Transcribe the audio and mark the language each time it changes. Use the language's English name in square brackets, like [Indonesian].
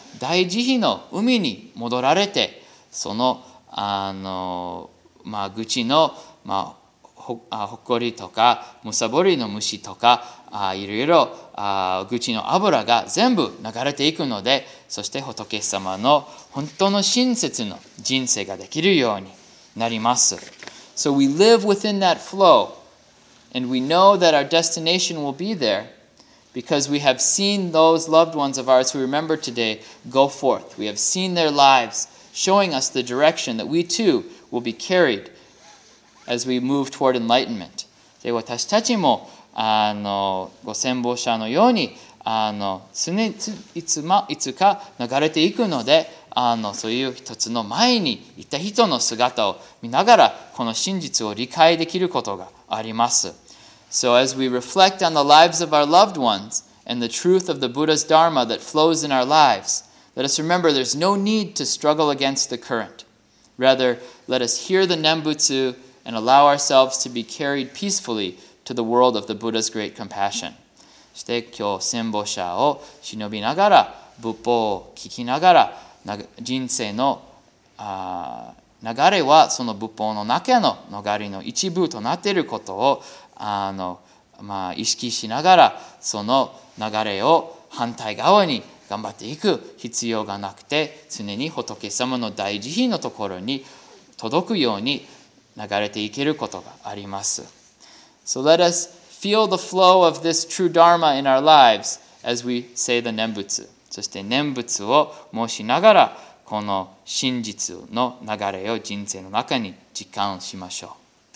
[Japanese] 大慈悲の海に戻られて、その、あの、まあ愚痴の、まあ、ほこりとか、むさぼりの虫とか、あいろいろ、あ愚痴の油が全部流れていくので、そして仏様の本当の親切の人生ができるようになります。 [English] So we live within that flow, and we know that our destination will be there because we have seen those loved ones of ours who remember today go forth. We have seen their lives showing us the direction that we too will be carried as we move toward enlightenment. [Japanese] で、私たちも、あの、ご先方者のように、あの、常にいつか流れていくので、あの、そういう一つの前にいた人の姿を見ながら、この真実を理解できることがあります。 [English] So as we reflect on the lives of our loved ones and the truth of the Buddha's Dharma that flows in our lives, let us remember there's no need to struggle against the current. Rather, let us hear the Nembutsu and allow ourselves to be carried peacefully to the world of the Buddha's great compassion. [Japanese] そして今日、先方者を忍びながら、仏法を聞きながら、人生の流れはその仏法の中の流れの一部となっていることを、あの、まあ、意識しながらその流れを反対側に頑張っていく必要がなくて常に仏様の大慈悲のところに届くように流れていけることがあります。 [English] So let us feel the flow of this true Dharma in our lives as we say the 念仏。 [Japanese] そして念仏を申しながらこの真実の流れを人生の中に実感しましょう。